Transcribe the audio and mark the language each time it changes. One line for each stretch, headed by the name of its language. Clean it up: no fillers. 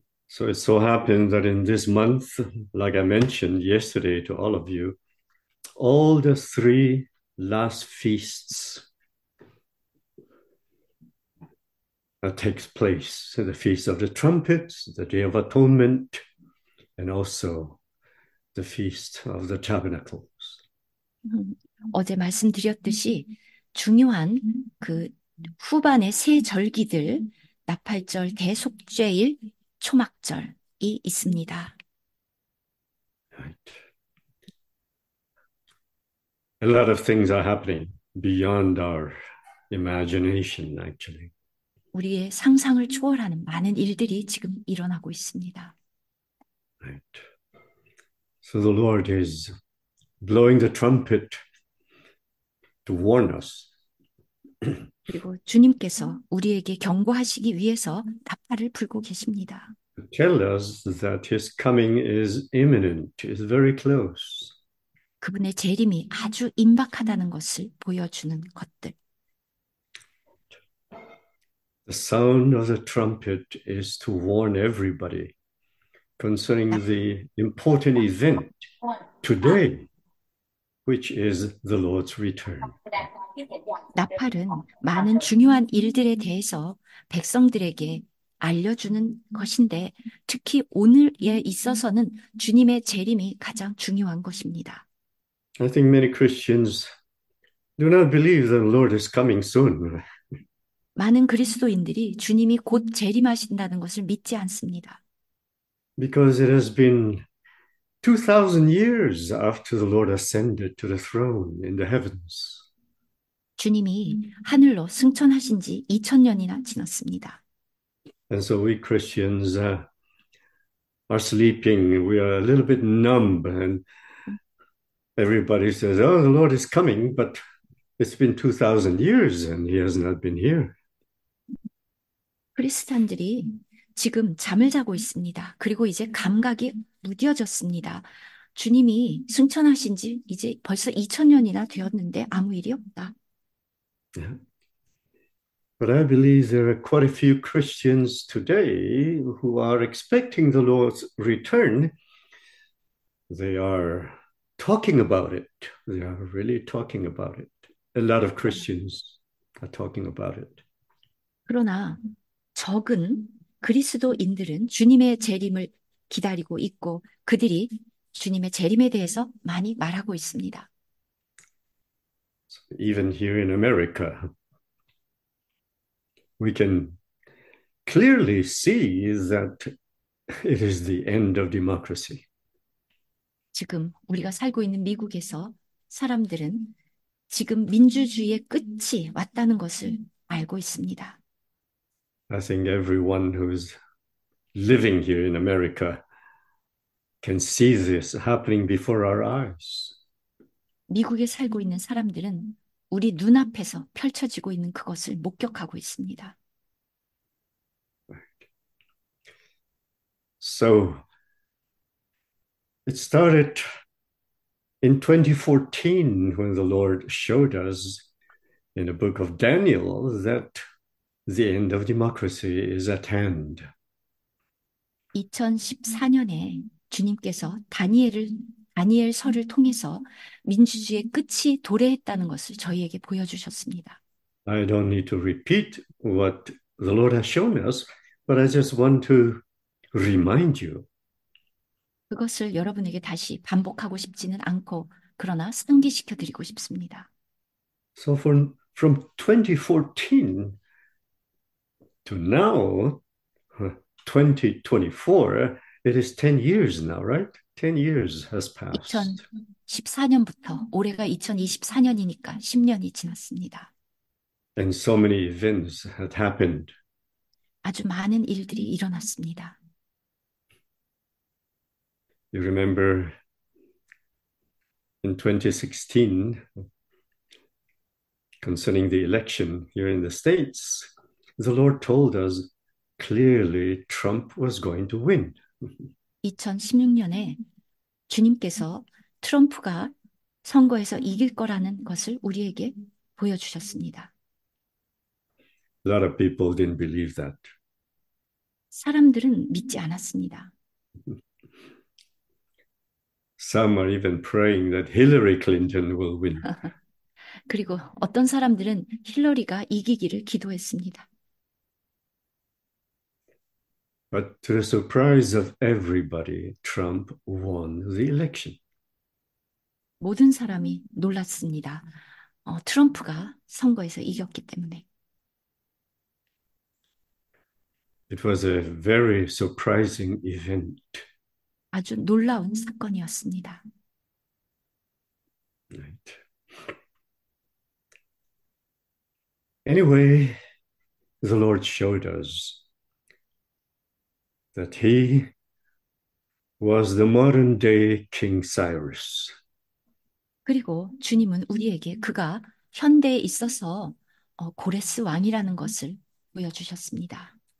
English: So it so happened that in this month, like I mentioned yesterday to all of you, all the three last feasts takes place. So the Feast of the Trumpets, the Day of Atonement, and also the Feast of the Tabernacles.
Korean: 어제 말씀드렸듯이 중요한 그 후반의 세 절기들, 나팔절, 대속죄일, 초막절이 있습니다.
English: A lot of things are happening beyond our imagination, actually.
Korean: 우리의 상상을 초월하는 많은 일들이 지금 일어나고 있습니다.
English: So the Lord is blowing the trumpet to warn us.
Korean: 그리고 주님께서 우리에게 경고하시기 위해서 나팔을 불고 계십니다.
English: Tell us that his coming is imminent, is very close.
Korean: 그분의 재림이 아주 임박하다는 것을 보여주는 것들.
English: Sound of the trumpet is to warn everybody concerning the important event today, which is the Lord's return.
Korean: 나팔은 많은 중요한 일들에 대해서 백성들에게 알려주는 것인데, 특히 오늘에 있어서는 주님의 재림이 가장 중요한 것입니다.
English: I think many Christians do not believe the Lord is coming soon.
Korean: 많은 그리스도인들이 주님이 곧 재림하신다는 것을 믿지 않습니다.
English: Because it has been 2,000 years after the Lord ascended to the throne in the heavens.
Korean: 주님이 하늘로 승천하신 지 2000년이나 지났습니다.
English: And so we Christians are sleeping. We are a little bit numb, and everybody says, "Oh, the Lord is coming," but it's been 2,000 years, and he has not been here.
Korean: 크리스찬들이 지금 잠을 자고 있습니다. 그리고 이제 감각이 무뎌졌습니다. 주님이 승천하신 지 이제 벌써 2000년이나 되었는데 아무 일이 없다.
English: But I believe there are quite a few Christians today who are expecting the Lord's return. They are talking about it. They are really talking about it. A lot of Christians are talking about it.
Korean: 그러나 적은 그리스도인들은 주님의 재림을 기다리고 있고, 그들이 주님의 재림에 대해서 많이 말하고 있습니다.
English: So even here in America, we can clearly see that it is the end of democracy.
Korean: 지금 우리가 살고 있는 미국에서 사람들은 지금 민주주의의 끝이 왔다는 것을 알고 있습니다.
English: I think everyone who's living here in America can see this happening before our eyes.
Korean: 미국에 살고 있는 사람들은 우리 눈앞에서 펼쳐지고 있는 그것을 목격하고 있습니다.
English: So it started in 2014 when the Lord showed us in the book of Daniel that the end of democracy is at hand.
Korean: 2014년에 주님께서 다니엘서를 통해서 민주주의의 끝이 도래했다는 것을 저희에게 보여주셨습니다.
English: I don't need to repeat what the Lord has shown us, but I just want to remind you.
Korean: 그것을 여러분에게 다시 반복하고 싶지는 않고, 그러나 상기시켜 드리고 싶습니다.
English: So from 2014 to now, 2024, it is 10 years now, right? 10 years has passed.
Korean: 2014년부터 올해가 2024년이니까 10년이 지났습니다.
English: And so many events had happened.
Korean: 아주 많은 일들이 일어났습니다.
English: You remember in 2016, concerning the election here in the States, the Lord told us clearly Trump was going to win.
Korean: 2016년에 주님께서 트럼프가 선거에서 이길 거라는 것을 우리에게 보여주셨습니다.
English: A lot of people didn't believe that.
Korean: 사람들은 믿지 않았습니다.
English: Some are even praying that Hillary Clinton will win.
Korean: 그리고 어떤 사람들은 힐러리가 이기기를 기도했습니다.
English: But to the surprise of everybody, Trump won the election.
Korean: 모든 사람이 놀랐습니다. 트럼프가 선거에서 이겼기 때문에.
English: It was a very surprising event.
Korean: 아주 놀라운 사건이었습니다.
English: Anyway, the Lord showed us that he was the modern day King Cyrus.
Korean: 그리고 주님은 우리에게 그가 현대에 있어서 고레스 왕이라는 것을 보여주셨습니다.